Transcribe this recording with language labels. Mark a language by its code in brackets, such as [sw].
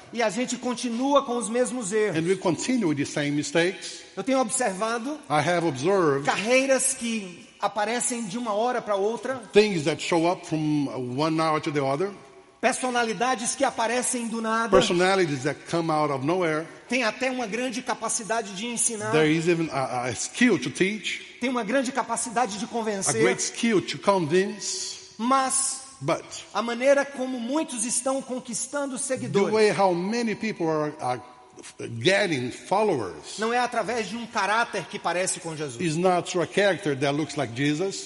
[pt] E a gente continua com os mesmos erros. [en] And we continue with the same mistakes. [pt] Eu tenho observado. [en] I have observed. [pt] Carreiras que aparecem de uma hora para outra. [en] Things that show up from one hour to the other. [pt] Personalidades que aparecem do nada. [en] Personalities that come out of nowhere. [pt] Tem até uma grande capacidade de ensinar. [en] There is even a skill to teach. [pt] Tem uma grande capacidade de convencer. [en] A great skill to convince. [pt] Mas [en] but, [pt] a maneira como muitos estão conquistando seguidores. [en] The way how many people are getting followers. [pt] Não é através de um caráter que parece com Jesus. [en] It's not through a character that looks like Jesus.